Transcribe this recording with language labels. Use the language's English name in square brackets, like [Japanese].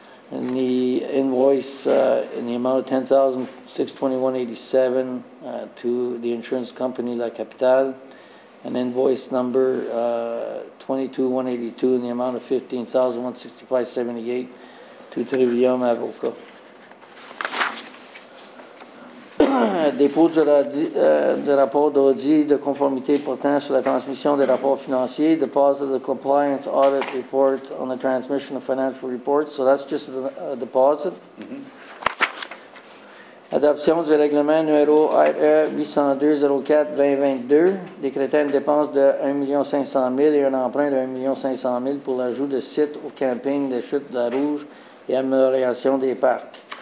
[English] And the invoice in the amount of $10,621.87 to the insurance company La Capitale. And invoice number 22182 in the amount of $15,165.78 to Trivium Avocat. [French] Dépôt du rapport d'audit de conformité portant sur la transmission des rapports financiers. [English] Deposit of the compliance audit report on the transmission of financial reports. So that's just a deposit. [French] Adoption du règlement numéro RE 802-04-2022, décrétant une dépense de 1 500 000 et un emprunt de 1 500 000 pour l'ajout de sites au camping des Chutes de la Rouge et amélioration des parcs.